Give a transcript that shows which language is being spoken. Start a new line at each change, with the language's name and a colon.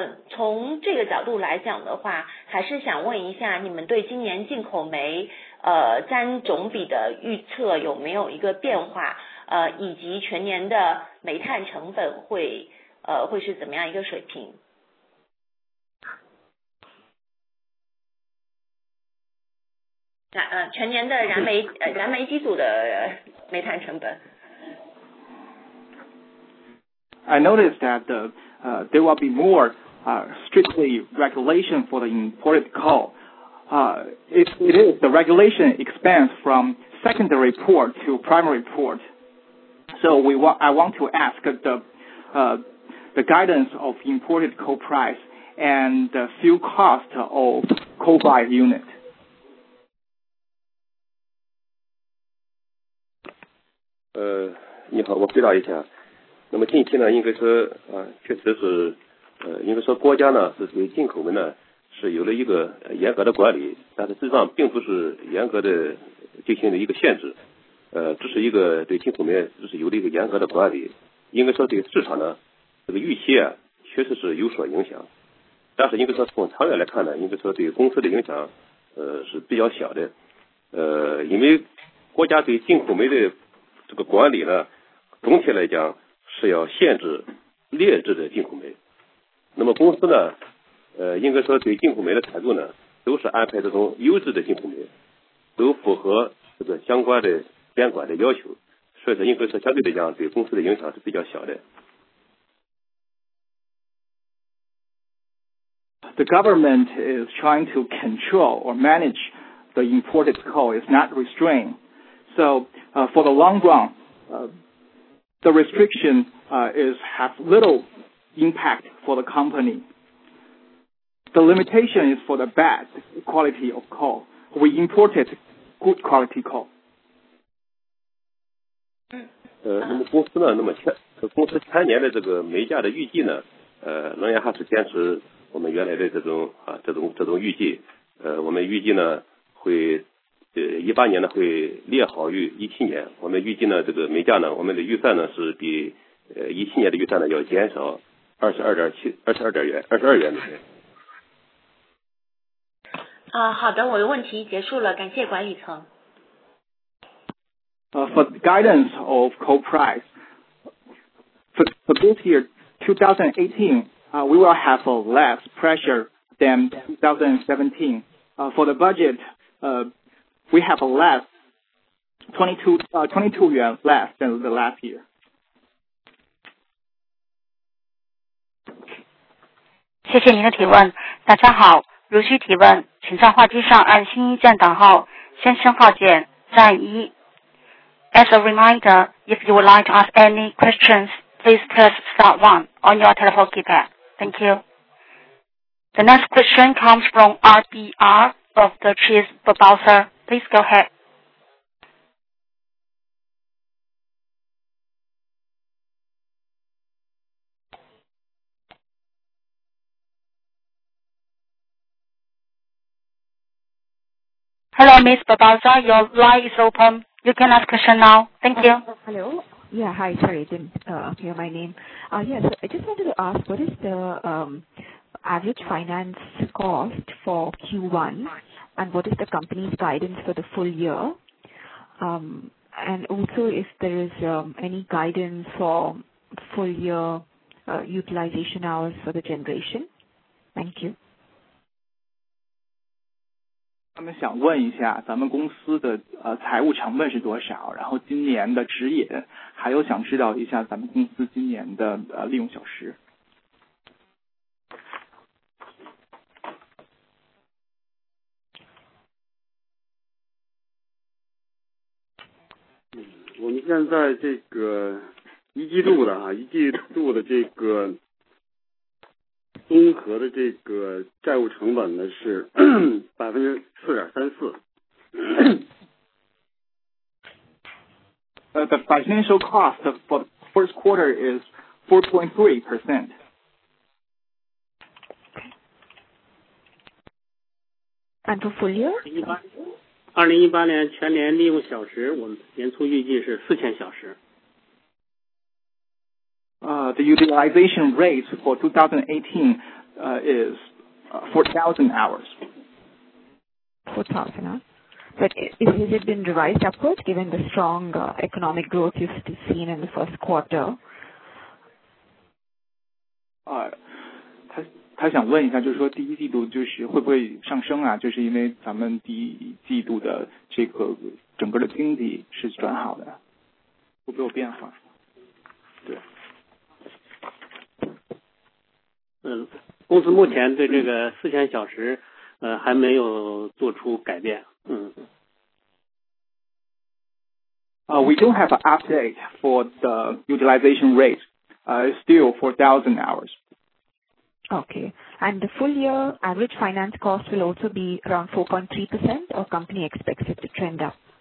Chinese: 从这个角度来讲的话，还是想问一下你们对今年进口煤占总比的预测有没有一个变化，以及全年的煤炭成本会是怎么样一个水平。全年的燃煤机组的煤炭成本。
English: I noticed that there will be more strictly regulation for the imported coal. It is the regulation expands from secondary port to primary port. So I want to ask the guidance of imported coal price and the fuel cost of coal-fired unit.
Chinese: Hello, 那么近期呢，应该说啊，确实是，应该说国家呢是对进口煤呢是有了一个严格的管理，但是实际上并不是严格的进行了一个限制，只是一个对进口煤只是有了一个严格的管理，应该说对市场呢这个预期啊确实是有所影响，但是应该说从长远来看呢，应该说对公司的影响是比较小的，因为国家对进口煤的这个管理呢，总体来讲。是要限制劣质的进口煤，那么公司呢，应该说对进口煤的态度呢，都是安排这种优质的进口煤，都符合这个相关的监管的要求，所以说应该说相对来讲对公司的影响是比较小的。
English: The government is trying to control or manage the imported coal, is not restrained. So, for the long run, the restriction has little impact for the company. The limitation is for the bad quality of coal. We imported good quality coal.
Chinese: 那么公司呢？那么公司前年的这个煤价的预计呢？仍然还是坚持我们原来的这种预计。我们预计呢会。18年呢会略好于17年，我们预计呢这个煤价呢，我们的预算呢是比17年的预算呢要减少22元每吨。好的，我的问题结束了，感谢管理层。
English: For the guidance of coal price, for this year 2018, we will have less pressure than 2017. For the budget, we have a less 22 yuan less than the last year.
Chinese: 谢谢您的提问。大家好，如需提问，请在话机上按星一键等候，先声号键再一。
English: As a reminder, if you would like to ask any questions, please press star one on your telephone keypad. Thank you. The next question comes from RBR of the Cheese for Bowser. Please go ahead. Hello, Ms. Babalza. Your line is open. You can ask question now. Thank you. Hello. Yeah, hi. Sorry, didn't hear my name. Yes, I just wanted to ask, what is the average finance cost for Q1? And what is the company's guidance for the full year? And also, if there is any guidance for full year utilization hours for the generation? Thank you.
Chinese: 他们想问一下咱们公司的财务成本是多少，然后今年的指引，还有想知道一下咱们公司今年的利用小时。我们现在这个一季度的这个综合的这个债务成本呢是4.34%。
English: The financial cost for the first quarter is 4.3%. And for full year?
Chinese: 2018年全年利用小时，我们年初预计是4000小时。
English: the utilization rate for 2018 is 4,000 hours. 4,000, huh? But has it been revised upwards given the strong economic growth you've seen in the first quarter?
Chinese: 他想问一下，就是说第一季度就是会不会上升啊？就是因为咱们第一季度的这个整个的经济是转好的，会不会有变化？对。嗯，公司目前对这个4000小时，还没有做出改变。嗯。
English: We don't have an update for the utilization rate. Still 4,000 hours. Okay, and the full year average finance cost will also be around 4.3%, or company expects it to trend up?